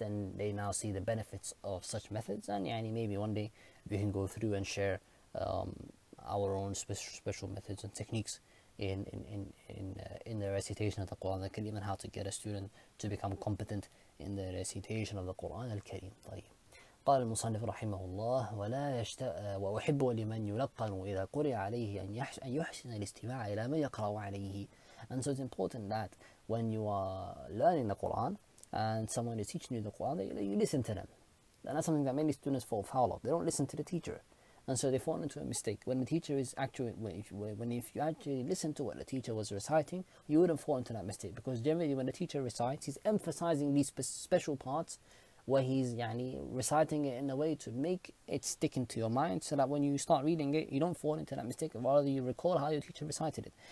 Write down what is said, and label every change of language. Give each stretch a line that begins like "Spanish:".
English: And they now see the benefits of such methods, and maybe one day we can go through and share our own special methods and techniques in the recitation of the Quran al-Kareem, and how to get a student to become competent in the recitation of the Quran al-Kareem.
Arabic: قال المصنف رحمه الله ولا يشت وأحب لمن يلقن إذا قرئ عليه أن يحسن الاستماع إلى من يقرأ عليه.
English: And so it's important that when you are learning the Quran and someone is teaching you the Quran, that you listen to them. And that's something that many students fall foul of. They don't listen to the teacher, and so they fall into a mistake. When the teacher is actually listen to what the teacher was reciting, you wouldn't fall into that mistake, because generally when the teacher recites, he's emphasizing these special parts, where he's reciting it in a way to make it stick into your mind, so that when you start reading it, you don't fall into that mistake, rather you recall how your teacher recited it.